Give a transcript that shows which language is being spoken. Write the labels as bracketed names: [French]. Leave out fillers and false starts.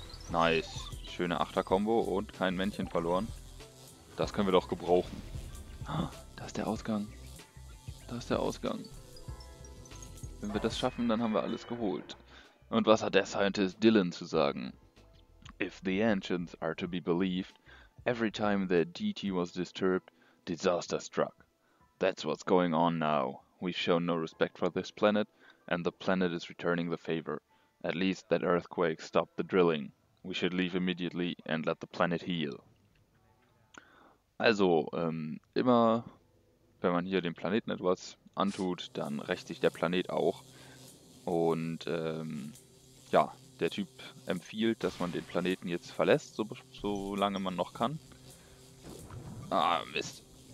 [German] Nice. Schöne Achter-Kombo und kein Männchen verloren. Das können wir doch gebrauchen. Da ist der Ausgang. Da ist der Ausgang. Wenn wir das schaffen, dann haben wir alles geholt. Und was hat der Scientist Dylan zu sagen? [English] If the ancients are to be believed, every time the DT was disturbed, disaster struck. That's what's going on now. We've shown no respect for this planet, and the planet is returning the favor. At least that earthquake stopped the drilling. We should leave immediately and let the planet heal. [German] Also, immer wenn man hier dem Planeten etwas antut, dann rächt sich der Planet auch. Und ja, der Typ empfiehlt, dass man den Planeten jetzt verlässt, so lange man noch kann. Ah, Mist.